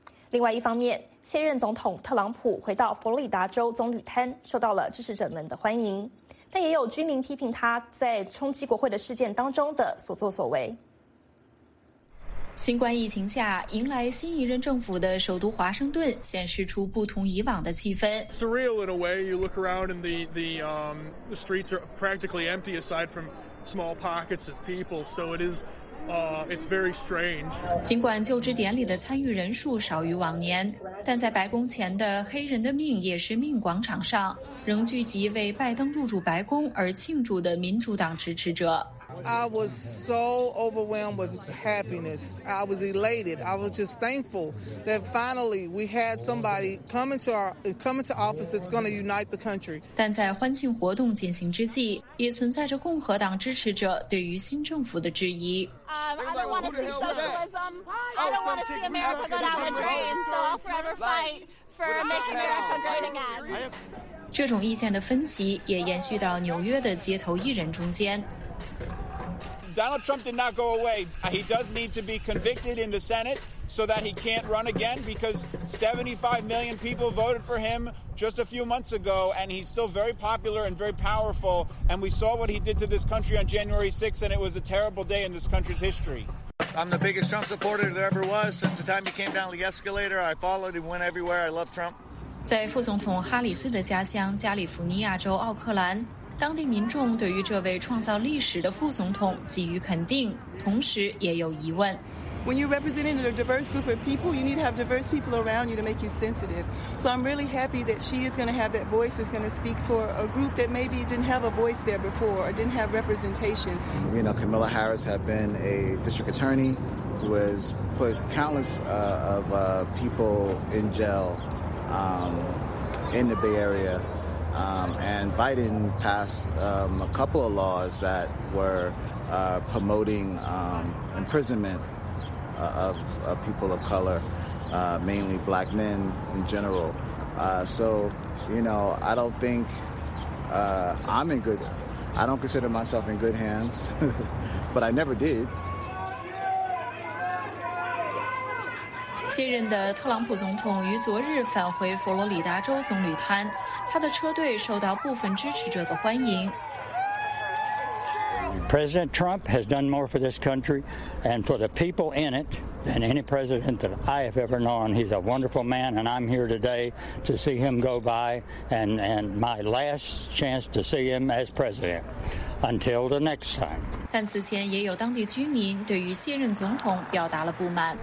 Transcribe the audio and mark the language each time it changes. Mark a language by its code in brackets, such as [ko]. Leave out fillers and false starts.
[zh] 另外一方面，现任总统特朗普回到佛罗里达州棕榈滩受到了支持者们的欢迎，但也有居民批评他在冲击国会的事件当中的所作所为。新冠疫情下迎来新一任政府的首都华盛顿显示出不同以往的气氛。 [en] Surreal in a way, you look around and the streets are practically empty aside from small pockets of people, so it isis very strange. [zh] 尽管就职典礼的参与人数少于往年，但在白宫前的黑人的命也是命广场上仍聚集为拜登入主白宫而庆祝的民主党支持者。 [en] I was so overwhelmed with happiness. I was elated. I was just thankful that finally we had somebody coming to office that's going to unite the country. [zh] 但在欢庆活动进行之际，也存在着共和党支持者对于新政府的质疑。 [en] I don't want to see socialism. I don't want to see America go down the drain. So I'll forever fight for making America great again. [zh] 这种意见的分歧也延续到纽约的街头艺人中间。 [en] Donald Trump did not go away. He does need to be convicted in the Senate so that he can't run again because 75 million people voted for him just a few months ago, and he's still very popular and very powerful. And we saw what he did to this country on January 6th, and it was a terrible day in this country's history. I'm the biggest Trump supporter there ever was since the time he came down the escalator. I followed him, went everywhere. I love Trump. [zh] 在副总统哈里斯的家乡加利福尼亚州奥克兰，当地民众对于这位创造历史的副总统给予肯定，同时也有疑问。 [en] When you're representing a diverse group of people, you need to have diverse people around you to make you sensitive. So I'm really happy that she is going to have that voice that's going to speak for a group that maybe didn't have a voice there before or didn't have representation. You know, Kamala Harris had been a district attorney who has put countless people in jail in the Bay Area. And Biden passed a couple of laws that were promoting imprisonment of people of color, mainly black men in general. I don't consider myself in good hands, but I never did. [zh] 现任的特朗普总统于昨日返回佛罗里达州棕榈滩，他的车队受到部分支持者的欢迎。 [en] President Trump has done more for this country and for the people in it than any president that I have ever known. He's a wonderful man, and I'm here today to see him go by and my last chance to see him as president. Until the next time. [zh] 但此前也有当地居民对于现任总统表达了不满。